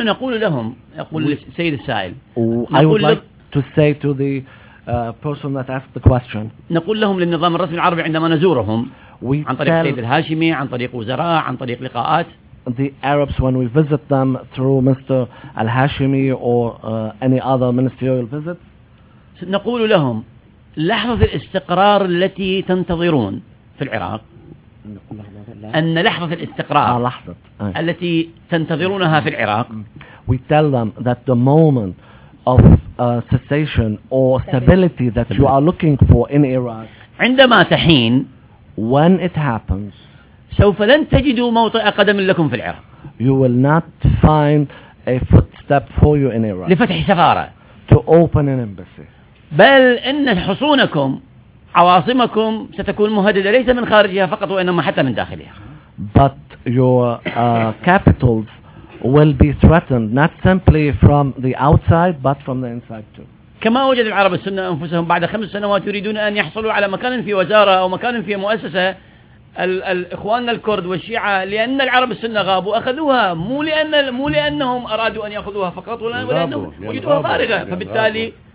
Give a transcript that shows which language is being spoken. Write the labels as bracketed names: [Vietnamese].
[Arabic] فنحن نقول لهم يقول السيد السائل. [English] I would like to say to the person that asked the question. [Arabic] نقول لهم للنظام الرسمي العربي عندما نزورهم عن طريق السيد الهاشمي عن طريق وزراء عن طريق لقاءات. [English] The Arabs, when we visit them through Mr. Al-Hashimi or any other ministerial visits, [Arabic] نقول لهم لحظة الاستقرار التي تنتظرون في العراق أن لحظة الاستقرار التي تنتظرونها في العراق. [English] We tell them that the moment of cessation or stability that you are looking for in Iraq, [Arabic] عندما تحين, [English] when it happens, [Arabic] سوف لن تجدوا موطئ قدم لكم في العراق. [English] You will not find a footstep for you in Iraq. [Arabic] لفتح سفارة. [English] To open an embassy. [Arabic] بل إن حصونكم عواصمكم ستكون مهددة ليس من خارجها فقط وإنما حتى من داخلها. [English] But your capitals will be threatened not simply from the outside but from the inside too. [Arabic] كما وجد العرب السنة أنفسهم بعد 5 سنوات يريدون أن يحصلوا على مكان في وزارة أو مكان في مؤسسة. الإخوان الكرد والشيعة لأن العرب السنة غابوا أخذوها مو لأن مو لأنهم أرادوا أن يأخذوها فقط ولأن ولأنهم وجدوها فارغة فبالتالي